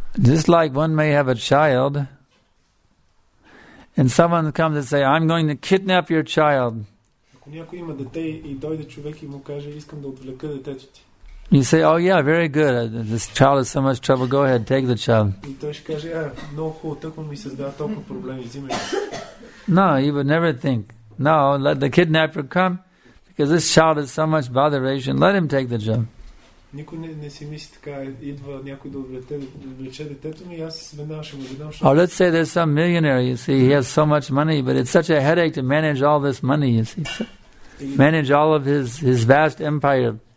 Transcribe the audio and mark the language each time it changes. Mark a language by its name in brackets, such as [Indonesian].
[English] Just like one may have a child, and someone comes and say, I'm going to kidnap your child. [Bulgarian] Някой има дете и дойде човек и му каже, искам да отвлека детето ти. [English] You say, oh yeah, very good. This child is so much trouble. Go ahead, take the child. [Bulgarian] И той ще каже, а, много хубаво, тъкмо ми създава толкова проблеми, взимай го. [English] No, he would never think. No, let the kidnapper come, because this child is so much botheration. Let him take the child. [Bulgarian] Никой не си мисли така, идва някой да отвлече детето ми, аз веднага ще му задам. [English] Oh, let's say there's some millionaire, you see, he has so much money, but it's such a headache to manage all this money, you see. Manage all of his vast empire.